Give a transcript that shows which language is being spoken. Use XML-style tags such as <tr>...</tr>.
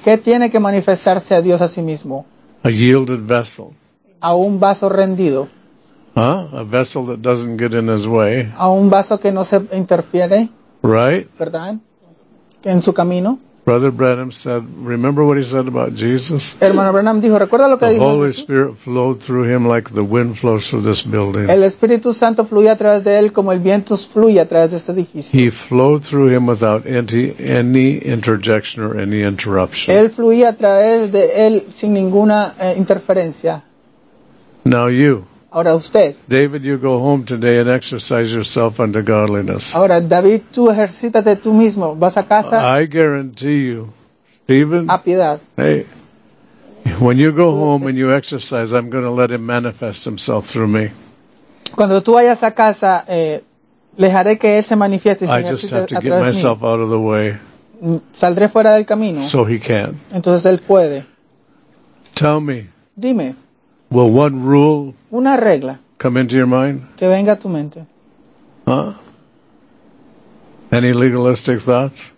<es>¿Qué tiene que manifestarse a Dios a sí mismo?</es> <en>A yielded vessel.</en> <es>A un vaso rendido. Huh?</es> <en>A vessel that doesn't get in his way.</en> <es>A un vaso que no se interfiere.</es> <en>Right.</en> <es>¿Verdad? En su camino.</es> <en>Brother Branham said, remember what he said about Jesus?</en> <es>Hermano Branham dijo, ¿recuerda lo que</es> <en>the</en> <es>dijo?</es> <en>The Holy Spirit flowed through him like the wind flows through this building.</en> <es>El Espíritu Santo fluye a través de él como el viento fluye a través de este edificio.</es> <en>He flowed through him without any interjection or any interruption.</en> <es>Él fluía a través de él sin ninguna interferencia.</es> <en>Now you.</en> <es>Ahora usted.</es> <en>David, you go home today and exercise yourself unto godliness.</en> <es>Ahora, David, tú ejercítate tú mismo. Vas a casa.</es> <en>I guarantee you, Stephen.</en> <es>A piedad.</es> <en>Hey, when you go home and you exercise, I'm going to let him manifest himself through me.</en> <es>Cuando tú vayas a casa, dejaré que él se manifieste.</es> <en>I just have to get myself out of the way.</en> <es>Saldré fuera del camino.</es> <en>So he can.</en> <es>Entonces él puede.</es> <en>Tell me.</en> <es>Dime.</es> <en>Will one rule</en> <es>una regla</es> <en>come into your mind?</en> <es>Que venga a tu mente.</es> <en>Huh? Any legalistic thoughts?</en>